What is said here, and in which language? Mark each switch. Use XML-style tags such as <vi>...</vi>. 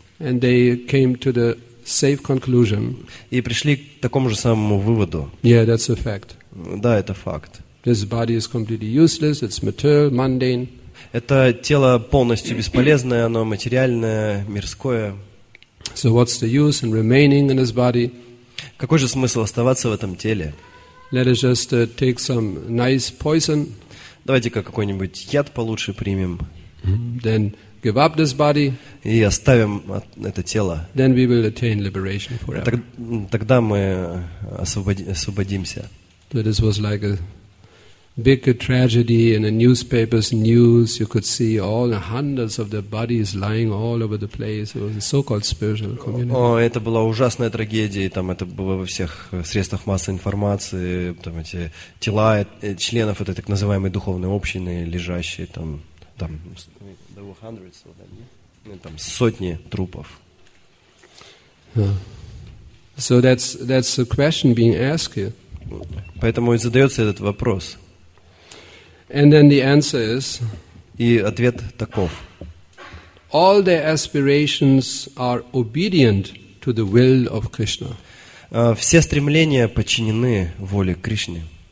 <en>And they came to the safe conclusion.</en> <ru>И пришли к такому же самому выводу.</ru> <en>Yeah, that's a fact.</en> <ru>Да, это факт.</ru> <en>This body is completely useless. It's material, mundane.</en> <ru>Это тело полностью бесполезное, оно материальное, мирское.</ru> <en>So what's the use in remaining in this body?</en> <ru>Какой же смысл оставаться в этом теле?</ru> <en>Let us just take some nice poison.</en> <ru>Давайте-ка какой-нибудь яд получше примем.</ru> <en>Then give up this body.</en> <ru>И оставим это тело.</ru> <en>Then we will attain liberation forever.</en> <ru>Тогда мы освободимся.</ru> <en>So this was like a big tragedy in the newspapers, news, you could see all the hundreds of the bodies lying all over the place. It was a so-called spiritual community.</en> <ru>Это была ужасная трагедия, там это было во всех средствах массовой информации, там эти тела членов этой так называемой духовной общины, лежащие там</ru> <en>there were hundreds of them, yeah?</en> <ru>Там сотни трупов.</ru> <en>So that's the question being asked here.</en> <ru>Поэтому и задается этот вопрос.</ru> <en>And then the answer is.</en> <ru>И ответ таков.</ru> <en>All their aspirations are obedient to the will of Krishna.</en> <ru>Все стремления подчинены воле Кришны.</ru>